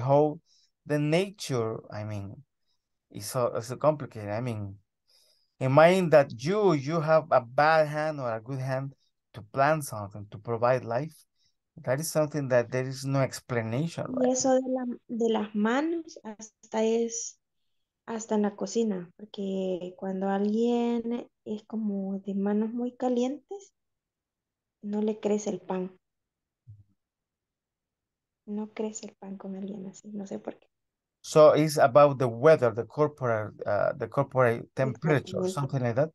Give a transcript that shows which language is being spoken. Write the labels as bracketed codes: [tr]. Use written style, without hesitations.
[en] How the nature, I mean, it's so complicated. I mean, imagine that you have a bad hand or a good hand to plant something, to provide life. That is something that there is no explanation. [es] Y eso de las manos hasta en la cocina, porque cuando alguien es como de manos muy calientes, no le crece el pan. No crece el pan con alguien así, no sé por qué. [en] So it's about the weather, the corporate temperature, something like that.